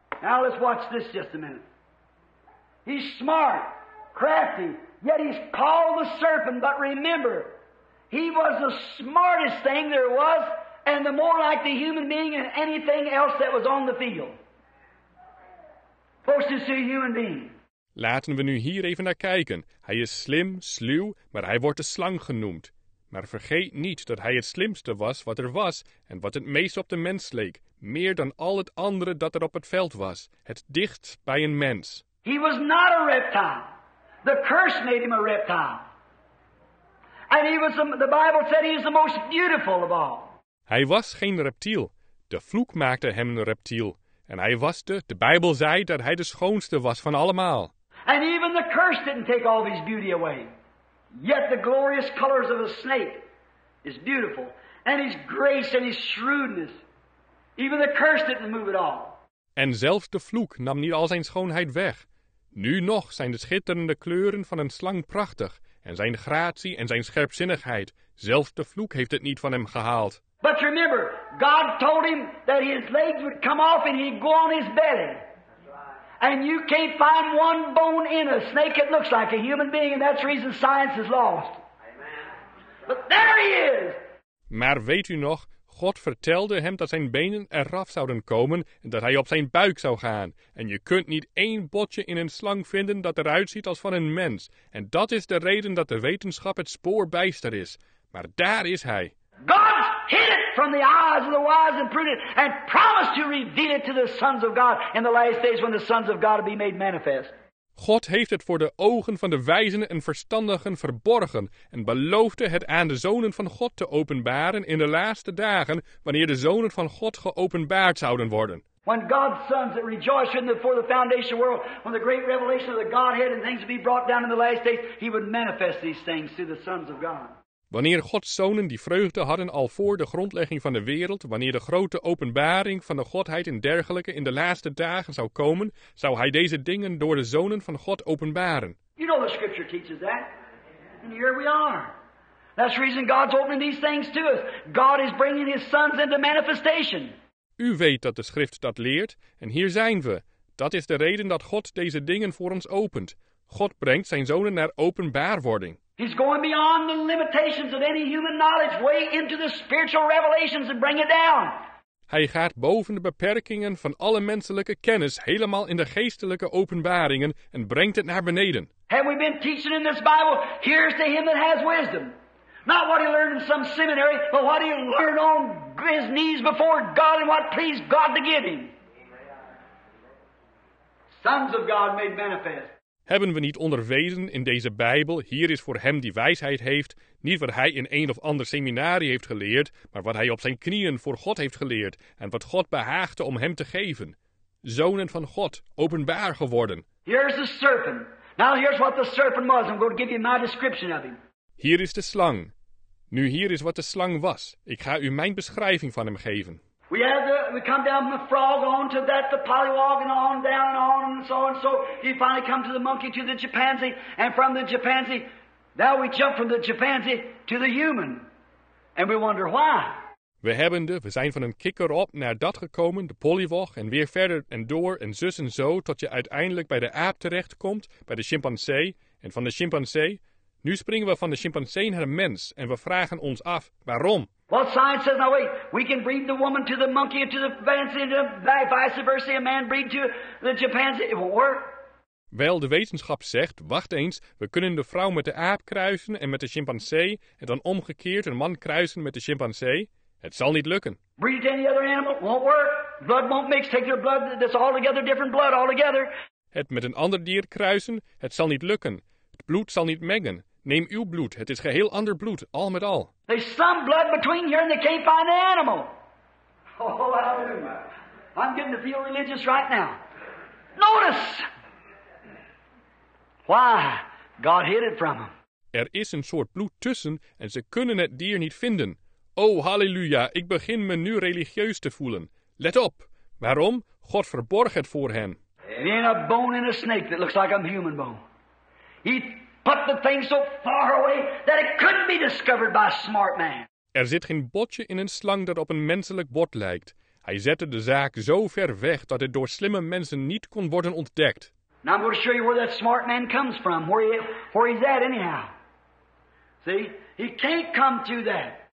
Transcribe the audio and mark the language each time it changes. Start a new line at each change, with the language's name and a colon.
English: Now let's watch this just a minute. He's smart, crafty, yet he's called the serpent, but remember, he was the smartest thing there was and the more like the human being than anything else that was on the field. Close to see a human being.
Dutch: Laten we nu hier even naar kijken. Hij is slim, sluw, maar hij wordt de slang genoemd. Maar vergeet niet dat hij het slimste was wat er was en wat het meest op de mens leek, meer dan al het andere dat er op het veld was, het dichtst bij een mens.
English: He was not a reptile. The curse made him a reptile. And he was the Bible said he is the most beautiful of all.
Dutch: Hij was geen reptiel. De vloek maakte hem een reptiel. En hij was de Bijbel zei dat hij de schoonste was van allemaal.
English: And even the curse didn't take all his beauty away. Yet the glorious colors of a snake is beautiful. And his grace and his shrewdness. Even the curse didn't move it all.
Dutch: En zelfs de vloek nam niet al zijn schoonheid weg. Nu nog zijn de schitterende kleuren van een slang prachtig. En zijn gratie en zijn scherpzinnigheid. Zelfs de vloek heeft het niet van hem gehaald.
English: But remember, God told him that his legs would come off and he'd go on his belly. And you can't find one bone in a snake that looks like a human being, and that's the reason science is lost. Amen. But there he is!
Dutch: Maar weet u nog, God vertelde hem dat zijn benen eraf zouden komen en dat hij op zijn buik zou gaan. En je kunt niet één botje in een slang vinden dat eruit ziet als van een mens. En dat is de reden dat de wetenschap het spoor bijster is. Maar daar is hij.
English: God hid it from the eyes of the wise and prudent and promised to reveal it to the sons of God in the last days when the sons of God will be made manifest.
Dutch: God heeft het voor de ogen van de wijzen en verstandigen verborgen en beloofde het aan de zonen van God te openbaren in de laatste dagen wanneer de zonen van God geopenbaard zouden worden.
English: When God's sons that rejoice in before the foundation world, when the great revelation of the Godhead and things will be brought down in the last days, he would manifest these things to the sons of God.
Dutch: Wanneer Gods zonen die vreugde hadden al voor de grondlegging van de wereld, wanneer de grote openbaring van de Godheid en dergelijke in de laatste dagen zou komen, zou hij deze dingen door de zonen van God openbaren.
English: You know the scripture teaches that. And here we are. That's the reason God's opening these things to us. God is bringing his sons into manifestation.
Dutch: U weet dat de schrift dat leert, en hier zijn we. Dat is de reden dat God deze dingen voor ons opent. God brengt zijn zonen naar openbaarwording.
English: He's going beyond the limitations of any human knowledge, way into the spiritual revelations and bring it down.
Dutch: Hij gaat boven de beperkingen van alle menselijke kennis helemaal in de geestelijke openbaringen en brengt het naar beneden.
English: Have we been teaching in this Bible, here's to him that has wisdom. Not what he learned in some seminary, but what he learned on his knees before God and what pleased God to give him. Sons of God made manifest.
Dutch: Hebben we niet onderwezen in deze Bijbel, hier is voor hem die wijsheid heeft, niet wat hij in een of ander seminarie heeft geleerd, maar wat hij op zijn knieën voor God heeft geleerd en wat God behaagde om hem te geven. Zonen van God, openbaar geworden.
English: Here's the serpent. Now here's what the serpent was. I'm going to give you my description of him.
Dutch: Hier is de slang. Nu hier is wat de slang was. Ik ga u mijn beschrijving van hem geven.
English: We come down from the frog on to that, the polywog, and on down and so. You finally come to the monkey, to the chimpanzee, and from the chimpanzee, now we jump from the chimpanzee to the human. And we wonder why.
Dutch: We zijn van een kikker op naar dat gekomen, de polywog, en weer verder en door en zus en zo, tot je uiteindelijk bij de aap terechtkomt, bij de chimpansee, en van de chimpansee. Nu springen we van de chimpansee naar de mens, en we vragen ons af, waarom?
English: Well, science says, now wait, we can breed the woman to the monkey and to the chimpanzee and vice versa, a man breed to the chimpanzee, it won't work.
Dutch: Wel, de wetenschap zegt, wacht eens, we kunnen de vrouw met de aap kruisen en met de chimpansee, en dan omgekeerd een man kruisen met de chimpansee, het zal niet lukken.
English: Breed to any other animal, won't work. Blood won't mix, take their blood, that's altogether different blood, altogether.
Dutch: Het met een ander dier kruisen, het zal niet lukken. Het bloed zal niet mengen. Neem uw bloed, het is geheel ander bloed, al met al.
English: There's some blood between here and they can't find the animal. Oh, hallelujah. I'm getting to feel religious right now. Notice! Why? God hid it from them.
Dutch: Er is een soort bloed tussen en ze kunnen het dier niet vinden. Oh, halleluja, ik begin me nu religieus te voelen. Let op. Waarom? God verborg het voor hen.
English: Being a bone in a snake that looks like a human bone. He put the thing so far away that it couldn't be discovered by a smart man.
Dutch: Er zit geen botje in een slang dat op een menselijk bot lijkt. Hij zette de zaak zo ver weg dat het door slimme mensen niet kon worden ontdekt.
English: Now I'm going to show you where that smart man comes from, where he's at anyhow. See, he can't come through that.